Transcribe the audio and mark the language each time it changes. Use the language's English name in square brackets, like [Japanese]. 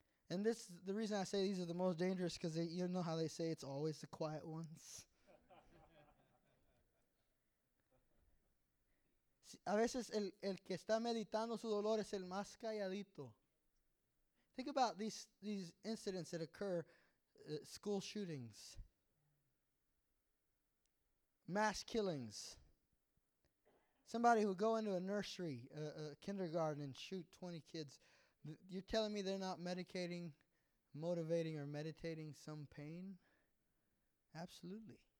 [English] And this is the reason I say these are the most dangerous, because you know how they say it's always the quiet ones. [Spanish] A veces el que está meditando su dolor es el más calladito. [English] Think about these incidents that occur, school shootings. Mass killings. Somebody who go into a nursery, a kindergarten, and shoot 20 kids. You're telling me they're not medicating, motivating, or meditating some pain? Absolutely.